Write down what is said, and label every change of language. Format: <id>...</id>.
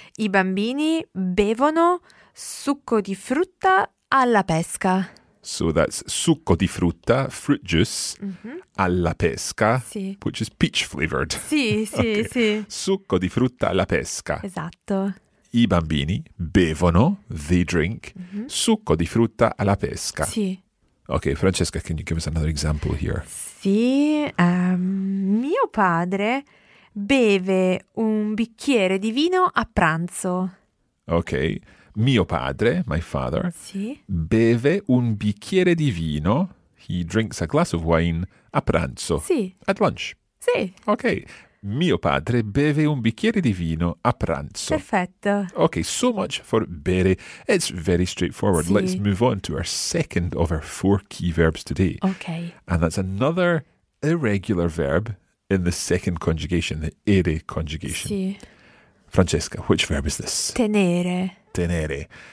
<it>I bambini bevono succo di frutta alla pesca.</it> <en>So that's</en> <it>succo di frutta,</it> <en>fruit juice, mm-hmm.</en> <it>alla pesca, sì.</it> <en>which is peach flavored.</en> <it>Sì, sì, okay. sì. Succo di frutta alla pesca. Esatto. I bambini bevono,</it> <en>they drink,</en> <it>mm-hmm. succo di frutta alla pesca. Sì.</it> <en>Okay, Francesca, can you give us another example here?</en> <it>Sì, mio padre beve un bicchiere di vino a pranzo.</it> <en>Okay.</en> <it>Mio padre,</it> <en>my father,</en> <it>sì. beve un bicchiere di vino.</it> <en>He drinks a glass of wine</en> <it>a pranzo. Sì.</it> <en>At lunch.</en> <it>Sì.</it> <en>Okay.</en> <it>Mio padre beve un bicchiere di vino a pranzo. Perfetto.</it> <en>Okay, so much for bere. It's very straightforward.</en> <it>Sì.</it> <en>Let's move on to our second of our four key verbs today. Okay. And that's another irregular verb in the second conjugation, the ere conjugation.</en> <it>Sì.</it> <en>Francesca, which verb is this?</en> <it>Tenere. Tenere.</it>